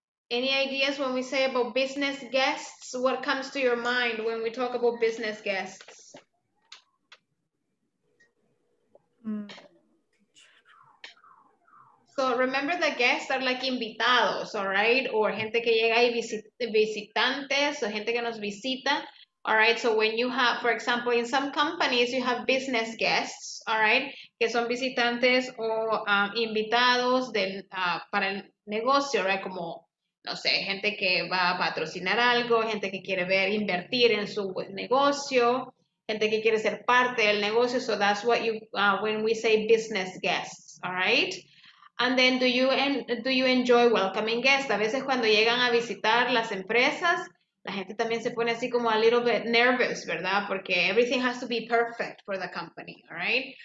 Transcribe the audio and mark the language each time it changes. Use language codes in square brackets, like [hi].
[en] Any ideas when we say about business guests? What comes to your mind when we talk about business guests? So remember the guests are like invitados, all right? [es] Or gente que llega y visitantes, o gente que nos visita. [en] All right, so when you have, for example, in some companies, you have business guests, all right? [es] Que son visitantes o invitados para el negocio, [en] right? [es] Como, no sé, gente que va a patrocinar algo, gente que quiere ver, invertir en su negocio, gente que quiere ser parte del negocio. [en] So that's what you, when we say business guests, all right? And then do you enjoy welcoming guests? [es] A veces cuando llegan a visitar las empresas, la gente también se pone así como [en] a little bit nervous, [es] ¿verdad? Porque [en] everything has to be perfect for the company, all right?